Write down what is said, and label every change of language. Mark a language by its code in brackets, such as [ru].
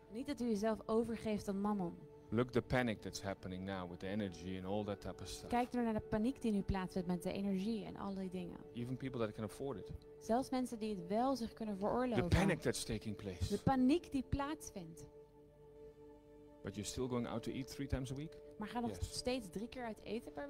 [nl] Niet dat u jezelf overgeeft aan mammon. [en] Look the panic that's happening now with the energy and all that type of stuff. [nl] Kijk er naar de paniek die nu plaatsvindt met de energie en al die dingen. [en] Even people that can afford it. [nl] Zelfs mensen die het wel zich kunnen veroorloven. [en] The panic that's taking place. [nl] De paniek die plaatsvindt. [en] But you're still going out to eat three times a week? [nl] Maar ga nog steeds drie keer uit eten per week?